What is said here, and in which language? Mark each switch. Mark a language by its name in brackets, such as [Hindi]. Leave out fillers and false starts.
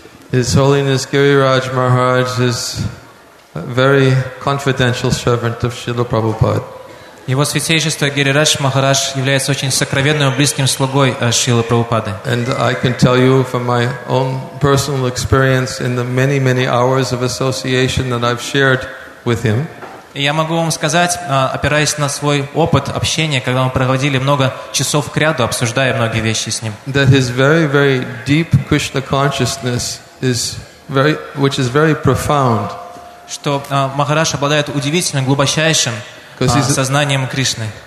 [English] His Holiness Giriraj Maharaj is a very confidential servant of Srila Prabhupada. [Russian] Его Святейшество Гирирадж Махарадж является очень сокровенным и близким слугой Шрилы Прабхупады. [English] And I can tell you from my own personal experience in the many, many hours of association that I've shared with him. [Russian] Я могу вам сказать, опираясь на свой опыт общения, когда мы проводили много часов кряду, обсуждая многие вещи с ним. [English] That his very, very deep Krishna consciousness which is very profound. [Russian] Что Махарадж обладает удивительным, глубочайшим сознанием Кришны.